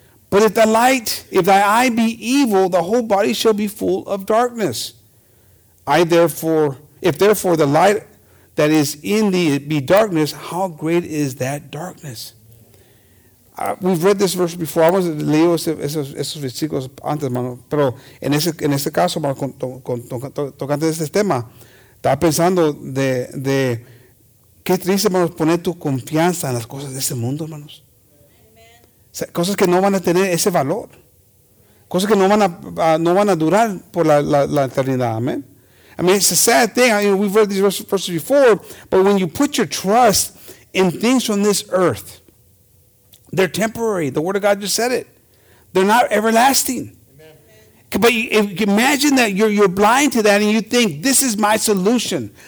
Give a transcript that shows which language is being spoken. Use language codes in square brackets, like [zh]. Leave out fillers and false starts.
[en] But if thy eye be evil, the whole body shall be full of darkness. If therefore the light that is in thee be darkness, how great is that darkness? We've read this verse before. I was [es] leyendo esos versículos antes, hermano. Pero en ese caso, hermano, tocante de este tema, estaba pensando de qué triste, hermano, poner tu confianza en las cosas de este mundo, hermanos. O sea, cosas que no van a tener ese valor. Cosas que no van a durar por la eternidad. [en] Amén. I mean, it's a sad thing. I mean, we've read these verses before, but when you put your trust in things from this earth, they're temporary. The Word of God just said it. They're not everlasting. Amen. But you imagine that you're blind to that and you think, this is my solution.